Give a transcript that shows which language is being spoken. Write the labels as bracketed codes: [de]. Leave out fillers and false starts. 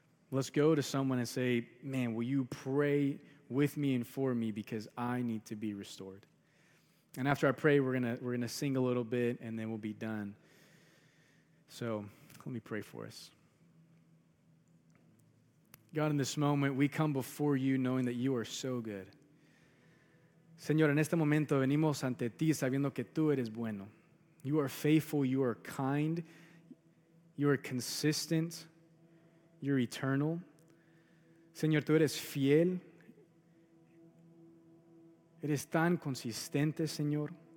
[en] Let's go to someone and say, man, will you pray with me and for me because I need to be restored. And after I pray, we're gonna sing a little bit and then we'll be done. So let me pray for us. God, in this moment, we come before you knowing that you are so good. [es] Señor, en este momento venimos ante ti sabiendo que tú eres bueno. [en] You are faithful, you are kind, you are consistent, you're eternal. [es] Señor, tú eres fiel. Eres tan consistente, Señor.